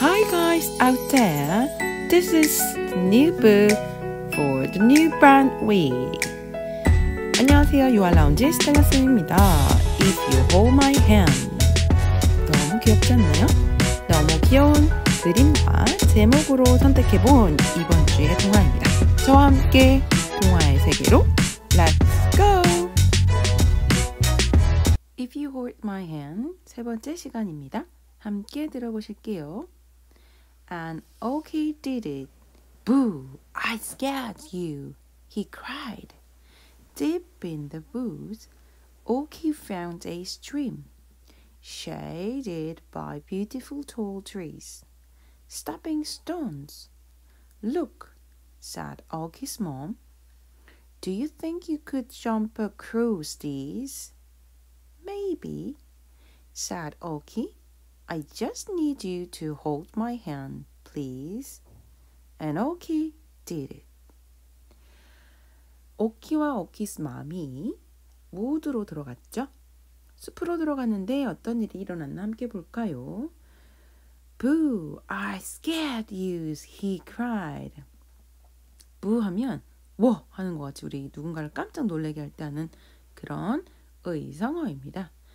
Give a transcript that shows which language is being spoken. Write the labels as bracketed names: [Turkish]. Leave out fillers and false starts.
[English] guys out there, this is the new book for the new brand week. [Korean] 안녕하세요, UR Lounge 스텔라쌤입니다. [English] If you hold my hand. [Korean] 너무 귀엽지 않나요? 너무 귀여운 그림과 제목으로 선택해본 이번 주의 동화입니다. 저와 함께 동화의 세계로 [English] Let's go! If you hold my hand, [Korean] 세 번째 시간입니다. 함께 들어보실게요. [English] An okay did it. Boo, I scared you, he cried. Deep in the woods, Oki found a stream, shaded by beautiful tall trees, stepping stones. Look, said Oki's mom, do you think you could jump across these? Maybe, said Oki, I just need you to hold my hand, please. And Oki did it. [Korean] 오키와 오키스 맘이 우드로 들어갔죠? 숲으로 들어갔는데 어떤 일이 일어났나 함께 볼까요? [English] Boo, I scared you, he cried. [Korean] Boo 하면 와 하는 것 같이 우리 누군가를 깜짝 놀래게 할 때 하는 그런 의성어입니다.